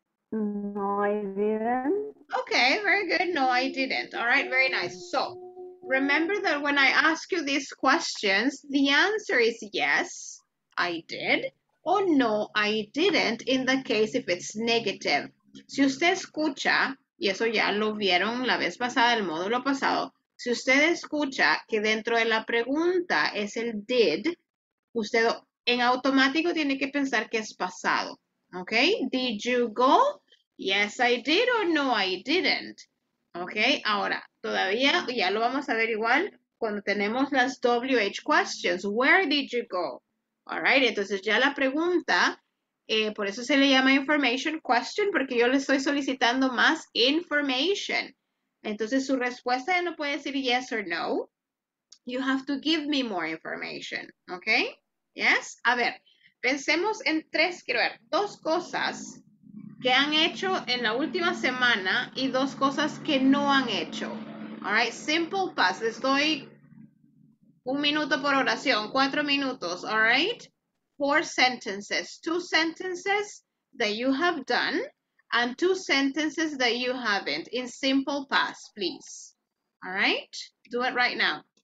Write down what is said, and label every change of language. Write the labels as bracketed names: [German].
[English] No, I didn't. Okay, very good. No, I didn't. All right, very nice. So, remember that when I ask you these questions, the answer is yes, I did, or no, I didn't, in the case if it's negative. [Spanish] Si usted escucha, y eso ya lo vieron la vez pasada, el módulo pasado, si usted escucha que dentro de la pregunta es el did, usted en automático tiene que pensar que es pasado. [English] Okay, did you go? Yes, I did, or no, I didn't. [Spanish] Okay, ahora, todavía, ya lo vamos a ver igual cuando tenemos las WH questions. [English] Where did you go? All right, [Spanish] entonces ya la pregunta Por eso se le llama information question, porque yo le estoy solicitando más information. Entonces, su respuesta ya no puede decir [English] yes or no. You have to give me more information, okay? Yes? [Spanish] A ver, pensemos en tres, quiero ver, dos cosas que han hecho en la última semana y dos cosas que no han hecho. [English] All right, simple pass. [Spanish] Estoy un minuto por oración, cuatro minutos, [English] all right? Four sentences, two sentences that you have done and two sentences that you haven't in simple past, please. All right, do it right now.